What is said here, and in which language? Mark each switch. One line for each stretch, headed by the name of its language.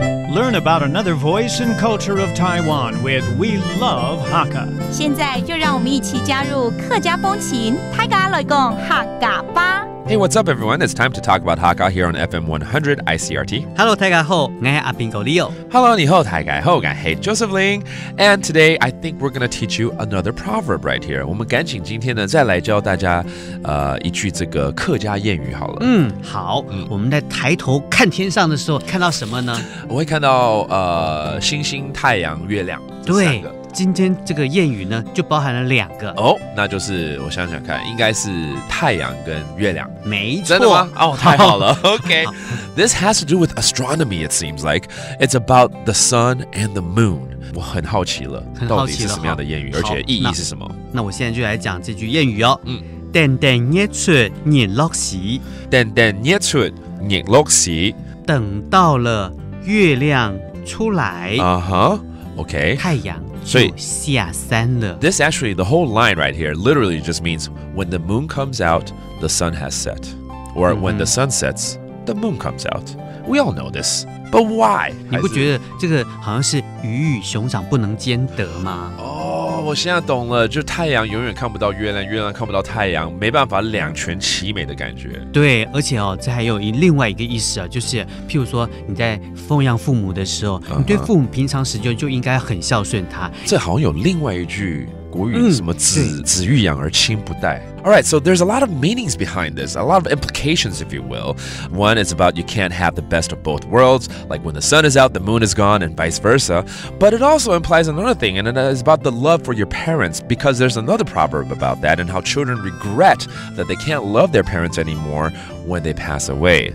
English: Learn about another voice and culture of Taiwan with We Love Hakka.
Chinese: 现在就让我们一起加入客家风情，泰嘎来讲客家吧。
English: Hey, what's up, everyone? It's time to talk about Hakka here on FM 100 ICRT.
Chinese: Hello, 大家好，我是阿宾狗 Leo. Hello, 你好，大家好，我是 Joseph Ling.
English: And today, I think we're going to teach you another proverb right here.
Chinese: 我们赶紧今天呢，再来教大家一句这个客家谚语好了。好，我们在抬头看天上的时候，看到什么呢？我会看到星星、太阳、月亮，对，今天这个谚语呢就包含了两个哦，那就是我想想看，应该是太阳跟月亮，没错，真的吗？哦，太好了。
English: OK, this has to do with astronomy. It seems like it's about the sun and the moon.
Chinese: 我很好奇了，很好奇到底是什么样的谚语，而且意义是什么？那我现在就来讲这句谚语哦。淡淡捏出日落时，淡淡捏出日落时，等到了月亮出来。
English: OK,
Chinese: 太阳就下山了。
English: So, this actually, the whole line right here literally just means when the moon comes out, the sun has set. Or when the sun sets, the moon comes out. We all know this. But why?
Chinese: 你不觉得这个好像是鱼与熊掌不能兼得吗？我现在懂了，就太阳永远看不到月亮，月亮看不到太阳，没办法两全其美的感觉。对，而且哦，这还有另外一个意思啊，就是譬如说你在奉养父母的时候，你对父母平常时就应该很孝顺他。这好像有另外一句国语，什么子欲养而亲不待。
English: Alright, so there's a lot of meanings behind this, a lot of implications, if you will. One is about you can't have the best of both worlds, like when the sun is out, the moon is gone, and vice versa. But it also implies another thing, and it is about the love for your parents, because there's another proverb about that, and how children regret that they can't love their parents anymore when they pass away.